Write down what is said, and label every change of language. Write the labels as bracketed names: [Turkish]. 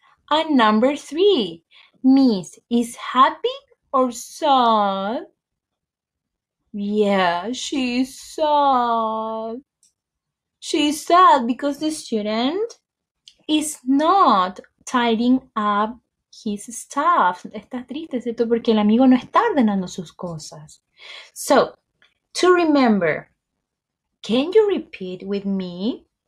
[English] And number three, miss is happy or sad? Yeah, she's sad. She's sad because the student is not tidying up his stuff. [Spanish] Está triste, ¿cierto? Porque el amigo no está ordenando sus cosas. [English] So, to remember, can you repeat with me?